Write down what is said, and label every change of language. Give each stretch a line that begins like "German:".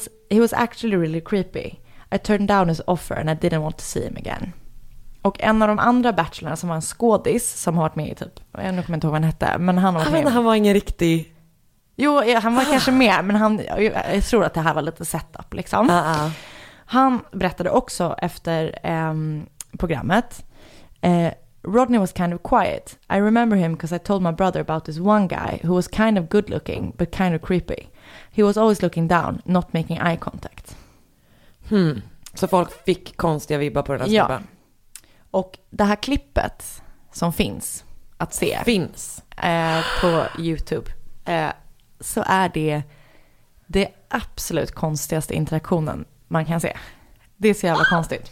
English: He was actually really creepy. I turned down his offer and I didn't want to see him again.
Swedish: Och en av de andra bachelorna som var en skådis, som har varit med i typ, jag kommer inte ihåg vad han hette, men han var med. Han var ingen riktig. Jo, han var kanske med, men jag tror att det här var lite setup liksom. Han berättade också efter programmet: Rodney was kind of quiet.
English: I remember him because I told my brother about this one guy who was kind of good looking but kind of creepy. He was always looking down, not making eye contact.
Swedish: Så folk fick konstiga vibbar på den här snubben. Och det här klippet som finns att se finns på YouTube, så är det absolut konstigaste interaktionen man kan se. Det är så jävla konstigt.